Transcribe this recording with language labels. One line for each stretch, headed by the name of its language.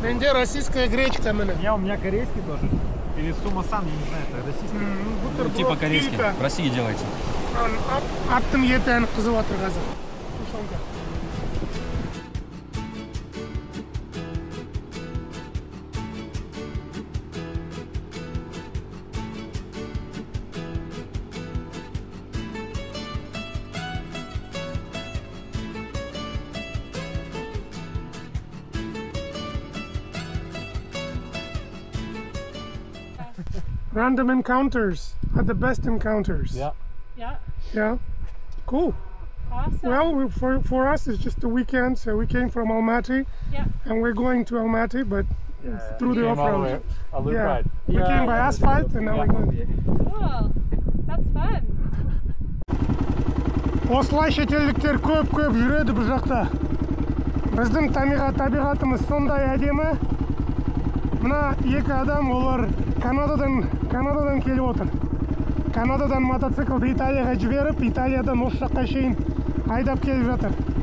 Kazakh: Менде
Russian: российская гречка
Kazakh: мына.
Russian: У меня корейский тоже. Или сумасан, я не знаю, это российский. Ну, типа корейский. В России делайте.
Kazakh: Аттым еті әні қызып отыр қазір.
English: Random encounters are the best encounters. Yeah. Cool. Awesome. Well, for us, it's just a weekend, so we came from Almaty. Yeah. And we're going to Almaty, but it's through the off-road. A loop ride. Yeah. We came by asphalt, and now we're going. Cool. That's fun.
Kazakh: Осылай шетелдіктер көп-көп жүреді бұл жақта. Біздің табиғатымыз сондай әдемі. Мына екі адам олар Канададан келіп отыр. Канададан мотоциклды Италияға жіберіп, Италиядан осы жаққа шейін айдап келіп жатыр.